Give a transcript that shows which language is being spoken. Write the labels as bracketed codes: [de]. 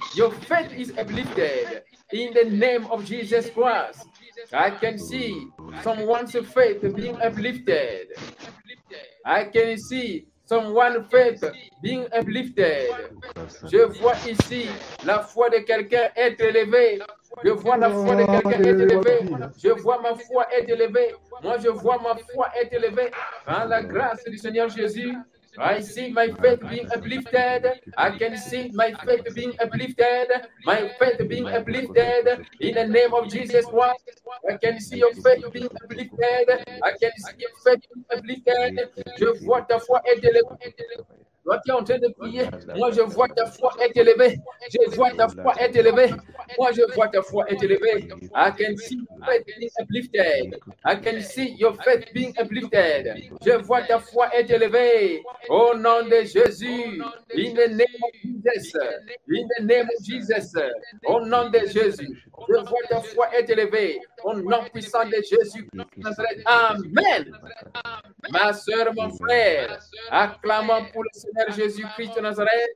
[en] Your faith is uplifted in the name of Jesus Christ. I can see someone's faith being uplifted. I can see someone's faith being uplifted. [fr] Je vois ici la foi de quelqu'un être élevée. Je vois la foi de quelqu'un être élevée. Je vois ma foi être élevée. Moi, je vois ma foi être élevée par la grâce du Seigneur Jésus. [en] I see my faith being uplifted. I can see my faith being uplifted. My faith being uplifted in the name of Jesus Christ. I can see your faith being uplifted. I can see your faith being uplifted. [fr] Je vois ta foi être élevée. Toi qui es en train de prier, moi je vois ta foi être élevée. Je vois ta foi être élevée. Moi je vois ta foi être élevée. [en] I can see your faith being uplifted. I can see your faith being uplifted. [fr] Je vois ta foi être élevée. Au nom de Jésus. [en] In the name of Jesus. In the name of Jesus. [fr] Au nom de Jésus. Je vois ta foi être élevée. Au nom puissant de Jésus. Amen. Ma soeur, mon frère, acclamons pour le Seigneur Jésus-Christ de Nazareth.